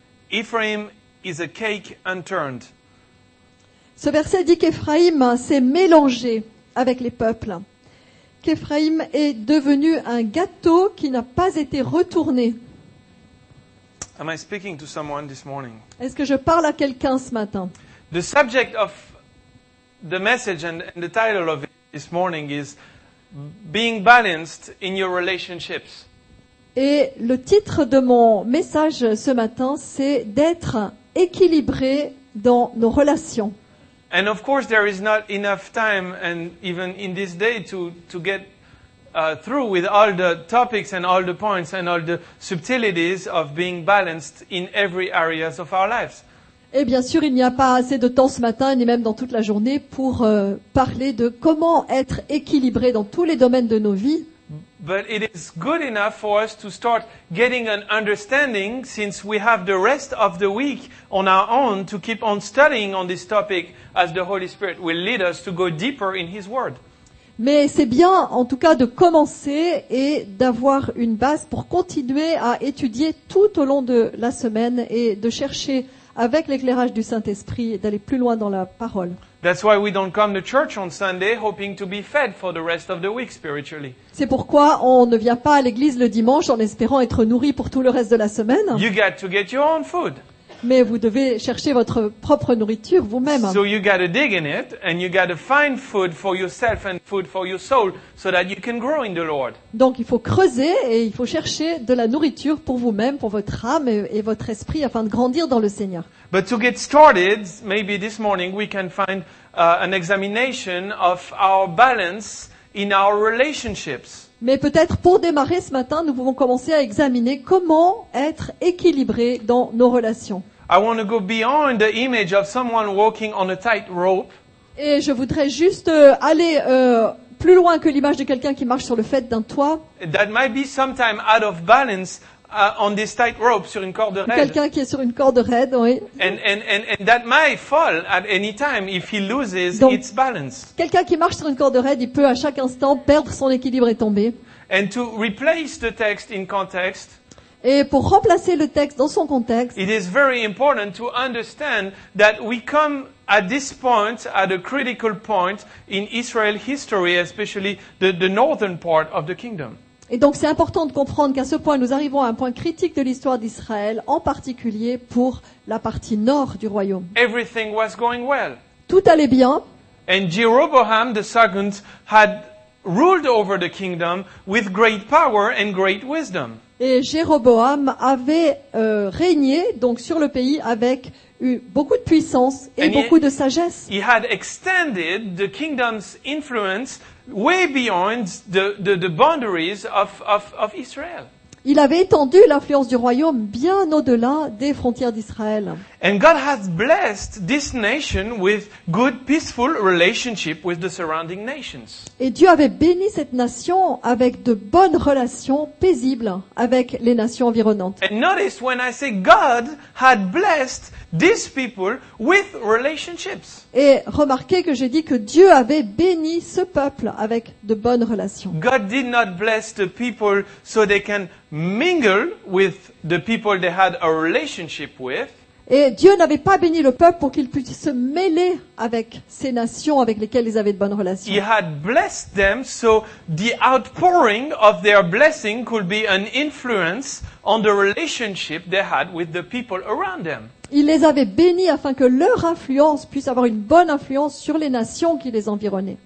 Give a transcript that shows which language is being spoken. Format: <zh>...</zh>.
<en>Ephraim is a cake unturned.</en> <fr>Ce verset dit qu'Ephraim s'est mélangé avec les peuples. Qu'Ephraim est devenu un gâteau qui n'a pas été retourné.</fr> <en>Am I speaking to someone this morning?</en> <fr>Est-ce que je parle à quelqu'un ce matin?</fr> <en>The subject of the message and the title of it this morning is being balanced in your relationships.</en> <fr>Et le titre de mon message ce matin, c'est d'être équilibré dans nos relations.</fr> <en>And of course there is not enough time and even in this day to get through with all the topics and all the points and all the subtleties of being balanced in every areas of our lives.</en> <fr>Et bien sûr, il n'y a pas assez de temps ce matin ni même dans toute la journée pour parler de comment être équilibré dans tous les domaines de nos vies.</fr> <en>But it is good enough for us to start getting an understanding since we have the rest of the week on our own to keep on studying on this topic as the Holy Spirit will lead us to go deeper in His Word.</en> <fr>Mais c'est bien, en tout cas, de commencer et d'avoir une base pour continuer à étudier tout au long de la semaine et de chercher avec l'éclairage du Saint-Esprit d'aller plus loin dans la parole.</fr> <en>That's why we don't come to church on Sunday hoping to be fed for the rest of the week spiritually.</en> <fr>C'est pourquoi on ne vient pas à l'église le dimanche en espérant être nourri pour tout le reste de la semaine.</fr> <en>You got to get your own food.</en> <fr>Mais vous devez chercher votre propre nourriture vous-même.</fr> <en>So you got to dig in it and you got to find food for yourself and food for your soul so that you can grow in the Lord.</en> <fr>Donc il faut creuser et il faut chercher de la nourriture pour vous-même, pour votre âme et votre esprit afin de grandir dans le Seigneur.</fr> <en>But to get started, maybe this morning we can find an examination of our balance in our relationships.</en> <fr>Mais peut-être pour démarrer ce matin, nous pouvons commencer à examiner comment être équilibré dans nos relations.</fr> <en>I want to go beyond the image of someone walking on a tight rope.</en> <fr>Et je voudrais juste aller plus loin que l'image de quelqu'un qui marche sur le faîte d'un toit.</fr> <en>That might be sometime out of balance on this tight rope</en> <fr>sur une corde raide. Quelqu'un qui est sur une corde raide, oui.</fr> <en>And that might fall at any time if he loses its balance.</en> <fr>Quelqu'un qui marche sur une corde raide, il peut à chaque instant perdre son équilibre et tomber.</fr> <en>And to replace the text in context,</en> <fr>et pour remplacer le texte dans son contexte,</fr> <en>it is very important to understand that we come at this point, at a critical point in Israel's history, especially the northern part of the kingdom.</en> <fr>Et donc c'est important de comprendre qu'à ce point, nous arrivons à un point critique de l'histoire d'Israël, en particulier pour la partie nord du royaume.</fr> <en>Everything was going well.</en> <fr>Tout allait bien.</fr> <en>And Jeroboam II had ruled over the kingdom with great power and great wisdom.</en> <fr>Et Jéroboam avait régné donc sur le pays avec beaucoup de puissance et beaucoup de sagesse.</fr> <en>He had extended the kingdom's influence way beyond the boundaries of Israel.</en> <fr>Il avait étendu l'influence du royaume bien au-delà des frontières d'Israël.</fr> <en>And God has blessed this nation with good, peaceful relationship with the surrounding nations.</en> <fr>Et Dieu avait béni cette nation avec de bonnes relations paisibles avec les nations environnantes.</fr> <en>And notice when I say God had blessed these people with relationships.</en> <fr>Et remarquez que j'ai dit que Dieu avait béni ce peuple avec de bonnes relations.</fr> <en>God did not bless the people so they can mingle with the people they had a relationship with.</en> <fr>Et Dieu n'avait pas béni le peuple pour qu'il puisse se mêler avec ces nations avec lesquelles ils avaient de bonnes relations.</fr> <en>He had blessed them so the outpouring of their blessing could be an influence on the relationship they had with the people around them.</en> <fr>Il les avait bénis afin que leur influence puisse avoir une bonne influence sur les nations qui les environnaient.</fr>